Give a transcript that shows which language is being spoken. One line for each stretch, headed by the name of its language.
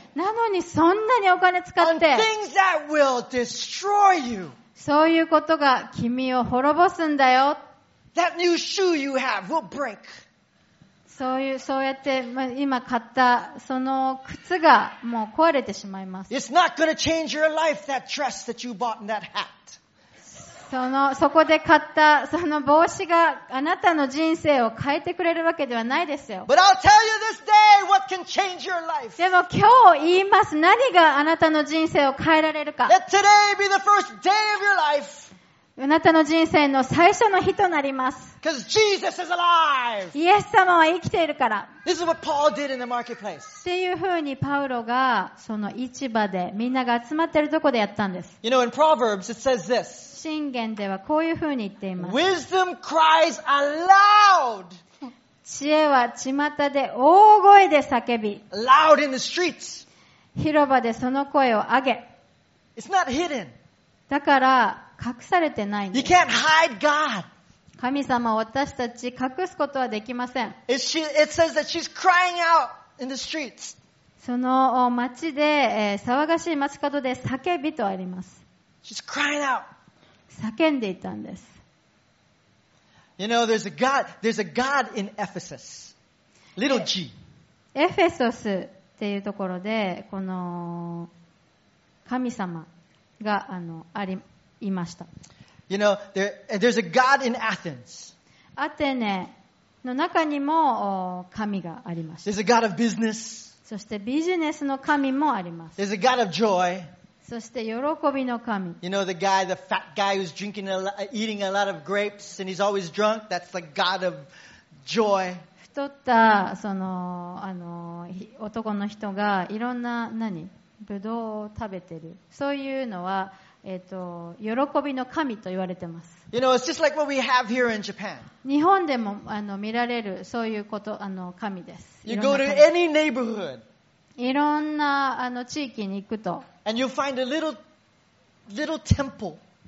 Japanese: なのに、そんなにお金使って。
English: On things that will destroy you.
Japanese: そういうことが君を滅ぼすんだよ。
English: That new shoe you have will break.
Japanese: そうやって、まあ、今買った、その靴がもう壊れてしまいます。
English: It's not gonna change your life, that dress that you bought in that hat.
Japanese: そこで買った、その帽子があなたの人生を変えてくれるわけではないですよ。
English: But I'll tell you this day what can change your life.
Japanese: でも今日言います。何があなたの人生を変えられるか。
English: Let today be the first day of your life.
Japanese: あなたの人生の最初の日となります。
English: Because Jesus is alive!
Japanese: イエス様は生きているから。
English: This is what Paul did in the marketplace.
Japanese: っていう風にパウロがその市場でみんなが集まってるとこでやったんです。
English: You know, in Proverbs it says this.
Japanese: 箴言ではこういう風に言っています。
English: Wisdom cries aloud!
Japanese: 知恵は巷で大声で叫び。
English: Loud in the streets!
Japanese: 広場でその声を上げ。
English: It's not hidden.
Japanese: だから、隠されてないんです。
English: You can't hide God.
Japanese: 神様を私たち隠すことはできません。
English: It says that she's crying out in the streets.
Japanese: その街で、騒がしい街角で叫びとあります。
English: She's crying out.
Japanese: 叫んでいたんです。
English: You know, there's a God in Ephesus. Little G.
Japanese: エフェソスっていうところで、この神様がありますいました。
English: You know, there's a God in Athens.
Japanese: アテネの中にも神がありました。
English: There's a God of business.
Japanese: そしてビジネスの神もあります。
English: There's a God of joy.
Japanese: そして喜びの神。
English: You know, the fat guy who's drinking, eating a lot of grapes and he's always drunk, that's the God of joy.
Japanese: 太ったその男の人がいろんな何ブドウを食べてる。そういうのは喜びの神と言われてます。
English: You know, it's just like what we have here in Japan.
Japanese: 日本でも見られるそういうこと神です。
English: You go to any neighborhood.
Japanese: いろんな地域に行くと。
English: And you'll find a little temple.